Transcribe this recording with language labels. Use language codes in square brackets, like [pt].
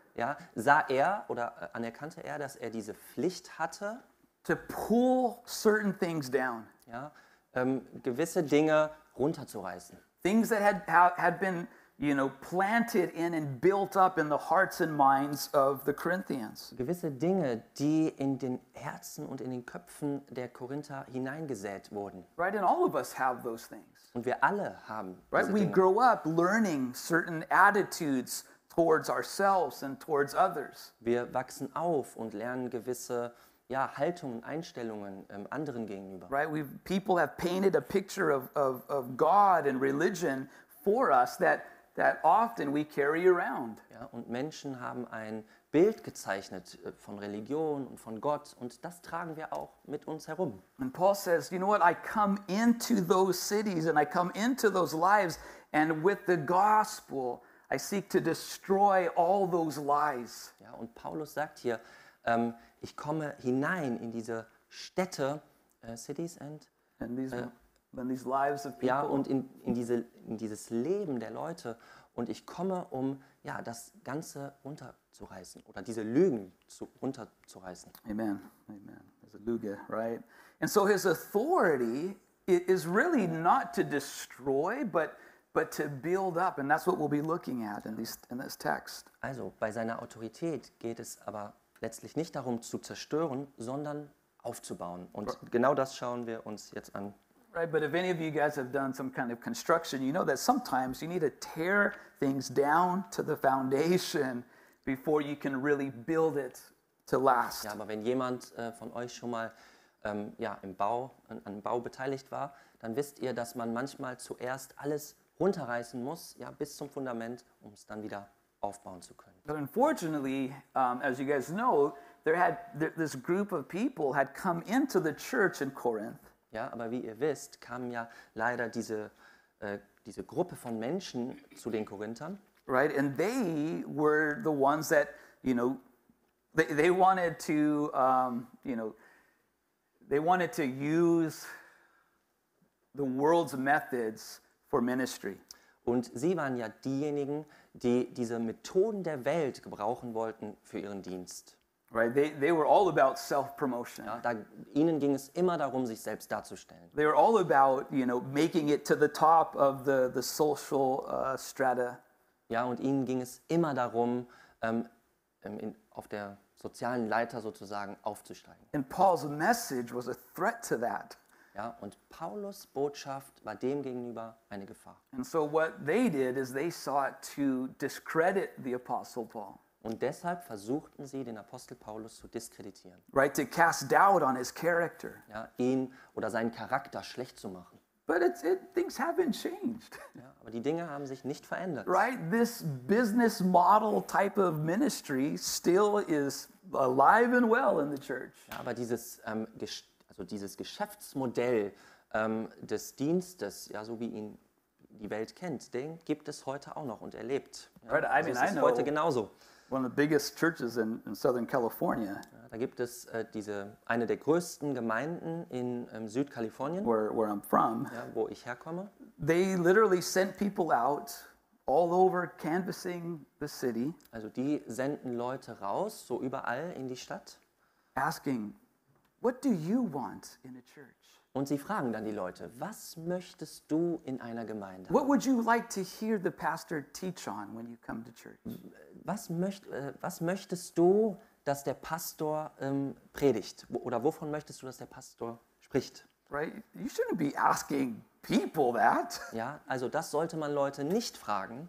[de] Ja, sah er oder anerkannte er, dass er diese Pflicht hatte, [en] to pull certain things down, [de] ja, gewisse Dinge runterzureißen. [en] Things that had been, you know, planted in and built up in the hearts and minds of the Corinthians. [de] Gewisse Dinge, die in den Herzen und in den Köpfen der Korinther hineingesät wurden. [en] Right, and all of us have those things. [de] Und wir alle haben diese Dinge. [en] We grow up learning certain attitudes towards ourselves and towards others. [de] Wir wachsen auf und lernen gewisse, ja, Haltungen, Einstellungen anderen gegenüber. [en] Right, people have painted a picture of God and religion for us that often we carry around. [de] Ja, und Menschen haben ein Bild gezeichnet von Religion und von Gott, und das tragen wir auch mit uns herum. [en] And Paul says, you know what, I come into those cities and I come into those lives, and with the gospel I seek to destroy all those lies. [de] Ja, und Paulus sagt hier, ich komme hinein in diese Städte, cities [en] and these lives of people. [de] Ja, und in dieses Leben der Leute, und ich komme, um, ja, das Ganze runterzureißen oder diese Lügen runterzureißen. [en] Amen, amen. There's a Lüge, right? And so his authority is really not to destroy, but to build up, and that's what we'll be looking at in this text. [de] Also bei seiner Autorität geht es aber letztlich nicht darum zu zerstören, sondern aufzubauen. Und genau das schauen wir uns jetzt an. [en] Right, but if any of you guys have done some kind of construction, you know that sometimes you need to tear things down to the foundation before you can really build it to last. [de] Ja, aber wenn jemand von euch schon mal an Bau beteiligt war, dann wisst ihr, dass man manchmal zuerst alles runterreißen muss, ja, bis zum Fundament, um es dann wieder aufbauen zu können. [en] But unfortunately, as you guys know, this group of people had come into the church in Corinth. [de] Ja, aber wie ihr wisst, kam ja leider diese Gruppe von Menschen zu den Korinthern. [en] Right, and they were the ones that, you know, they wanted to, you know, they wanted to use the world's methods for ministry. [de] Und sie waren ja diejenigen, die diese Methoden der Welt gebrauchen wollten für ihren Dienst. [en] Right, they were all about self-promotion. [de] Ja, ihnen ging es immer darum, sich selbst darzustellen. [en] They were all about, you know, making it to the top of the social strata. [de] Ja, und ihnen ging es immer darum, auf der sozialen Leiter sozusagen aufzusteigen. [en] And Paul's message was a threat to that. [de] Ja, und Paulus' Botschaft war dem gegenüber eine Gefahr. [en] And so what they did is they sought to discredit the Apostle Paul. [de] Und deshalb versuchten sie, den Apostel Paulus zu diskreditieren. [en] Right, to cast doubt on his character. [de] Ja, ihn oder seinen Charakter schlecht zu machen. [en] But things haven't changed. [de] Ja, aber die Dinge haben sich nicht verändert. [en] Right, this business model type of ministry still is alive and well in the church. [de] Ja, aber dieses dieses Geschäftsmodell des Dienstes, ja, so wie ihn die Welt kennt, den gibt es heute auch noch und erlebt. Ja, [en] right, I mean, [de] also es ist heute genauso. [en] One of the biggest churches in Southern California. [de] Ja, da gibt es eine der größten Gemeinden in Südkalifornien, [en] where I'm from. [de] Ja, wo ich herkomme. [en] They literally sent people out all over canvassing the city. [de] Also die senden Leute raus, so überall in die Stadt. [en] Asking, what do you want in a church? [de] Und sie fragen dann die Leute, was möchtest du in einer Gemeinde? [en] What would you like to hear the pastor teach on when you come to church? [de] Was möchtest du, dass der Pastor predigt? Oder wovon möchtest du, dass der Pastor spricht? [en] Right? You shouldn't be asking people that. [de] Ja, also das sollte man Leute nicht fragen.